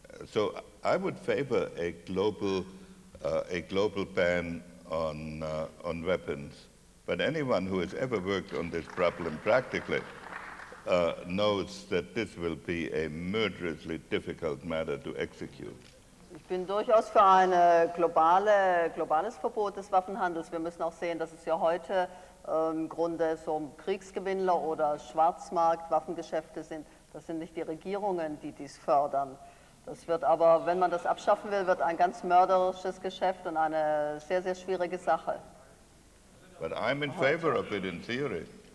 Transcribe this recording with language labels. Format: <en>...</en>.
<en>So I would favor a global ban on weapons. But anyone who has ever worked on this problem practically knows that this will be a murderously difficult matter to execute.</en> <de>Ich bin durchaus für ein globales Verbot des Waffenhandels. Wir müssen auch sehen, dass es ja heute im Grunde so um Kriegsgewinnler oder Schwarzmarktwaffengeschäfte sind. Das sind nicht die Regierungen, die dies fördern. Das wird aber, wenn man das abschaffen will, wird ein ganz mörderisches Geschäft und eine sehr, sehr schwierige Sache.</de> <en>But I'm in favor of it in theory.</en>